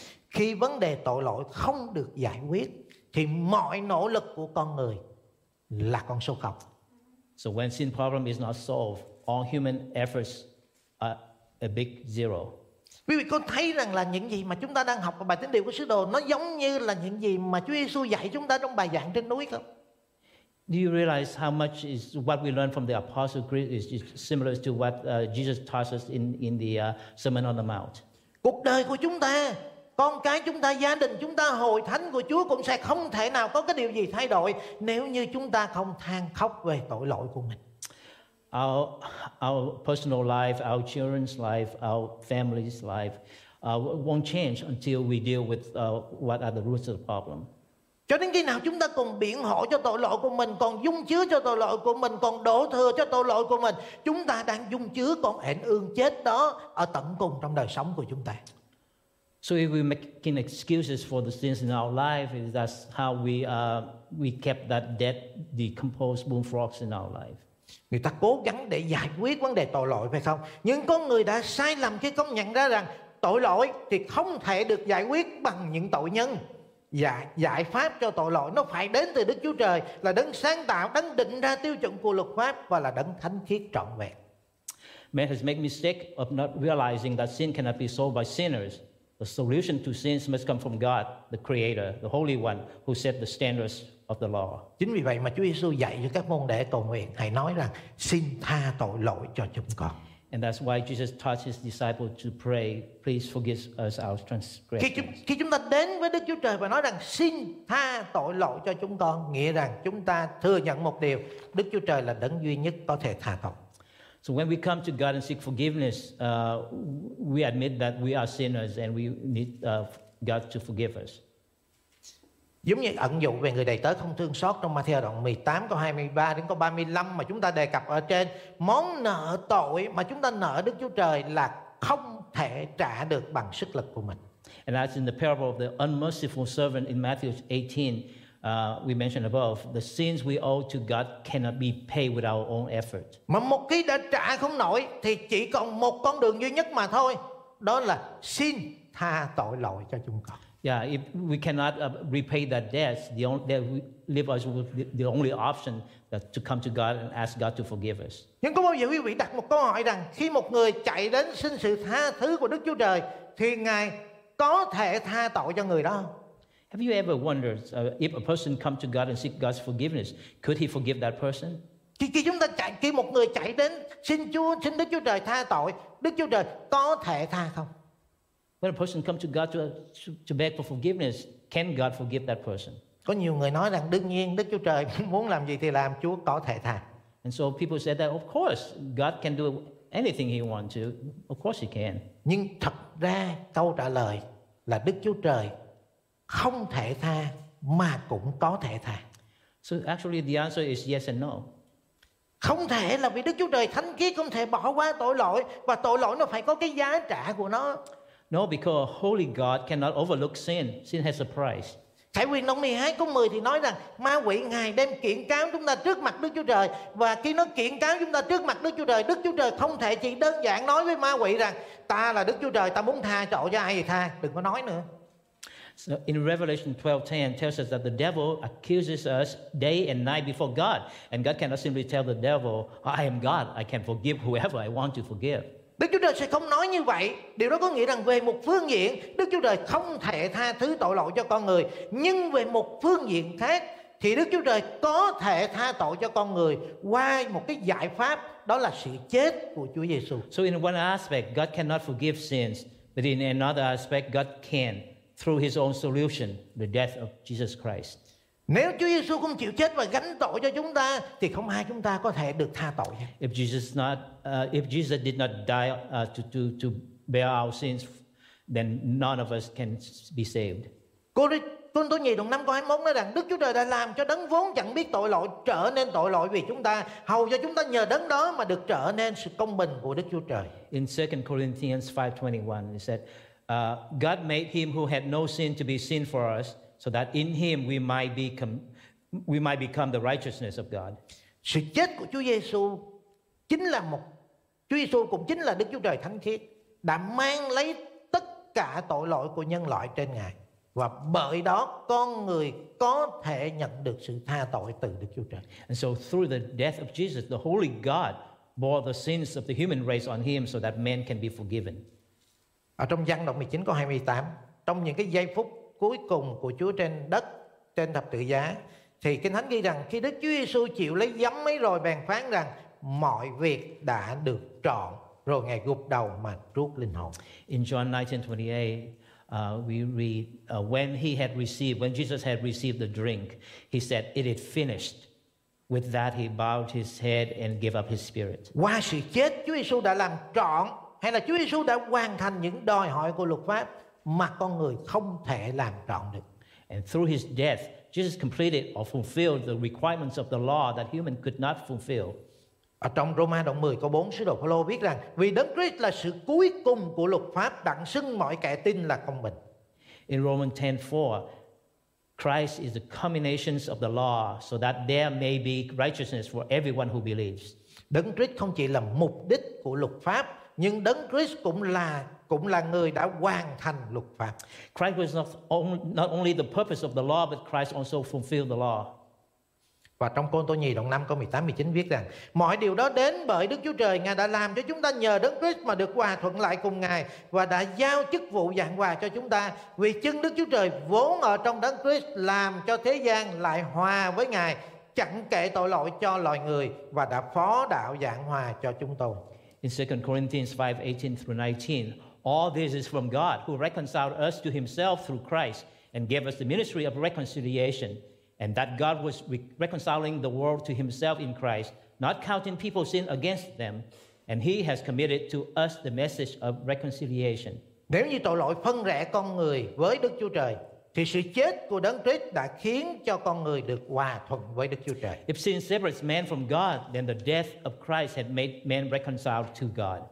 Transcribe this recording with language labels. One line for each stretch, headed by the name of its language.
Vietnamese: Khi vấn đề tội lỗi không được giải quyết, thì mọi nỗ lực của con người là con số không.
English: So when sin problem is not solved, all human efforts are a big zero.
Vietnamese: Quý vị có thấy rằng là những gì mà chúng ta đang học ở bài tín điều của sứ đồ nó giống như là những gì mà Chúa Giêsu dạy chúng ta trong bài giảng trên núi không?
English: Do you realize how much is what we learn from the Apostle Creed is similar to what Jesus taught us in the Sermon on the Mount?
Vietnamese: Cuộc đời của chúng ta, con cái chúng ta, gia đình chúng ta, hội thánh của Chúa cũng sẽ không thể nào có cái điều gì thay đổi nếu như chúng ta không than khóc về tội lỗi của mình.
English: Our personal life, our children's life, our family's life won't change until we deal with what are the roots of the problem.
Vietnamese: Cho đến khi nào chúng ta còn biện hộ cho tội lỗi của mình, còn dung chứa cho tội lỗi của mình, còn đổ thừa cho tội lỗi của mình, chúng ta đang dung chứa con ển ương chết đó ở tận cùng trong đời sống của chúng ta.
English: So if we're making excuses for the sins in our life, that's how we kept that dead, decomposed bullfrogs in our life.
Vietnamese: Người ta cố gắng để giải quyết vấn đề tội lỗi, phải không? Nhưng có người đã sai lầm khi công nhận ra rằng tội lỗi thì không thể được giải quyết bằng những tội nhân. Giải pháp cho tội lỗi nó phải đến từ Đức Chúa Trời, là đấng sáng tạo, đấng định ra tiêu chuẩn của luật pháp và là đấng thánh khiết trọn vẹn.
English: Man has made mistake of not realizing that sin cannot be solved by sinners. The solution to sins must come from God, the Creator, the Holy One, who set the standards of the law.
Vietnamese: Chính vì vậy mà Chúa Giêsu dạy cho các môn đệ cầu nguyện, Ngài nói rằng, xin tha tội lỗi cho chúng con.
English: And that's why Jesus taught his disciples to pray, please forgive us our transgressions.
Vietnamese: Khi chúng ta đến với Đức Chúa Trời và nói rằng, xin tha tội lỗi cho chúng con, nghĩa rằng chúng ta thừa nhận một điều, Đức Chúa Trời là đấng duy nhất có thể tha tội.
English: So when we come to God and seek forgiveness, we admit that we are sinners and we need God to forgive us.
Vietnamese: Giống như ẩn dụ về người đầy tớ không thương xót trong Matthew đoạn 18 câu 23 đến câu 35 mà chúng ta đề cập ở trên, món nợ tội mà chúng ta nợ Đức Chúa Trời là không thể trả được bằng sức lực của mình.
English: And as in the parable of the unmerciful servant in Matthew 18, we mentioned above, the sins we owe to God cannot be paid with our own effort.
Vietnamese: Mà một khi đã trả không nổi thì chỉ còn một con đường duy nhất mà thôi, đó là xin tha tội lỗi cho chúng con.
English: Yeah, if we cannot repay that debt, that leave us with the only option that to come to God and ask God to forgive us.
Vietnamese: Nhưng có bao giờ quý vị đặt một câu hỏi rằng khi một người chạy đến xin sự tha thứ của Đức Chúa Trời thì Ngài có thể tha tội cho người đó?
English: Have you ever wondered if a person come to God and seek God's forgiveness, could he forgive that person?
Vietnamese: Thì khi chúng ta chạy, khi một người chạy đến xin Chúa, xin Đức Chúa Trời tha tội, Đức Chúa Trời có thể tha không?
English: When a person comes to God to beg for forgiveness, can God forgive that person?
Vietnamese: Có nhiều người nói rằng đương nhiên Đức Chúa Trời muốn làm gì thì làm, Chúa có thể tha.
English: And so people said that of course God can do anything he wants to. Of course he can.
Vietnamese: Nhưng thật ra câu trả lời là Đức Chúa Trời không thể tha mà cũng có thể tha.
English: So actually the answer is yes and no.
Vietnamese: Không thể là vì Đức Chúa Trời thánh khiết không thể bỏ qua tội lỗi và tội lỗi nó phải có cái giá trả của nó.
English: No, because a holy God cannot overlook sin. Sin has a price.
Vietnamese: Thầy quyền đồng 12 câu 10 thì nói rằng ma quỷ ngài đem kiện cáo chúng ta trước mặt Đức Chúa Trời, và khi nó kiện cáo chúng ta trước mặt Đức Chúa Trời, Đức Chúa Trời không thể chỉ đơn giản nói với ma quỷ rằng ta là Đức Chúa Trời, ta muốn tha tội cho ai thì tha, đừng có nói nữa.
English: So in Revelation 12:10 tells us that the devil accuses us day and night before God, and God cannot simply tell the devil, I am God, I can forgive whoever I want to forgive.
Vietnamese: Đức Chúa Trời sẽ không nói như vậy. Điều đó có nghĩa rằng về một phương diện, Đức Chúa Trời không thể tha thứ tội lỗi cho con người. Nhưng về một phương diện khác, thì Đức Chúa Trời có thể tha tội cho con người qua một cái giải pháp, đó là sự chết của Chúa Giê-xu.
English: So in one aspect, God cannot forgive sins. But in another aspect, God can, through his own solution, the death of Jesus Christ.
Vietnamese: Nếu Chúa Giê-xu không chịu chết và gánh tội cho chúng ta, thì không ai chúng ta có thể được tha tội.
English: If Jesus did not die to bear our sins, then none of us can be saved.
Vietnamese: Cô nhì đồng 5 câu 21 nói rằng Đức Chúa Trời đã làm cho đấng vốn chẳng biết tội lỗi trở nên tội lỗi vì chúng ta, hầu cho chúng ta nhờ đấng đó mà được trở nên sự công bình của Đức Chúa Trời.
English: In 2 Corinthians 5:21, it said, God made him who had no sin to be sin for us, so that in him we might become the righteousness of God.
Vietnamese: Sự chết của Chúa Giê-xu chính là một, Chúa Giê-xu cũng chính là Đức Chúa Trời thánh khiết đã mang lấy tất cả tội lỗi của nhân loại trên Ngài, và bởi đó con người có thể nhận được sự tha tội từ Đức Chúa Trời.
English: And so through the death of Jesus, the holy God bore the sins of the human race on him so that man can be forgiven.
Vietnamese: Ở trong Giăng đoạn 19 câu 28, trong những cái giây phút cuối cùng của Chúa trên đất, trên thập tự giá, thì Kinh Thánh ghi rằng khi Đức Chúa Giê-xu chịu lấy giấm ấy rồi, bèn phán rằng mọi việc đã được trọn, rồi Ngài gục đầu mà rút linh hồn.
English: In John 19:28, we read, when Jesus had received the drink, he said, it is finished. With that he bowed his head and gave up his spirit.
Vietnamese: Qua sự chết, Chúa Giê-xu đã làm trọn, hay là Chúa Giê-xu đã hoàn thành những đòi hỏi của luật pháp mà con người không thể làm trọn được.
English: And through his death, Jesus completed or fulfilled the requirements of the law that human could not fulfill.
Vietnamese: Ở trong Roma đoạn 10 câu 4, sứ đồ Phaolô viết rằng vì Đấng Christ là sự cuối cùng của luật pháp, đặng xưng mọi kẻ tin là công bình.
English: In Romans 10:4, Christ is the culmination of the law so that there may be righteousness for everyone who believes.
Vietnamese: Đấng Christ không chỉ là mục đích của luật pháp, nhưng Đấng Christ cũng là người đã hoàn thành luật pháp.
English: Christ was not only the purpose of the law, but Christ also fulfilled the law.
Vietnamese: Và trong Côrintô nhì đoạn 5 câu 18-19 viết rằng mọi điều đó đến bởi Đức Chúa Trời, Ngài đã làm cho chúng ta nhờ Đấng Christ mà được hòa thuận lại cùng Ngài, và đã giao chức vụ giảng hòa cho chúng ta. Vì chân Đức Chúa Trời vốn ở trong Đấng Christ làm cho thế gian lại hòa với Ngài, chẳng kể tội lỗi cho loài người, và đã phó đạo giảng hòa cho chúng tôi.
English: In 2 Corinthians 5:18-19, all this is from God who reconciled us to himself through Christ and gave us the ministry of reconciliation, and that God was reconciling the world to himself in Christ, not counting people's sin against them, and he has committed to us the message of reconciliation.
Vietnamese: Nếu như tội lỗi phân rẽ con người với Đức Chúa Trời, thì sự chết của Đấng Christ đã khiến cho con người được hòa thuận với Đức Chúa Trời.
English: If sin separates man from God, then the death of Christ had made man reconciled to God.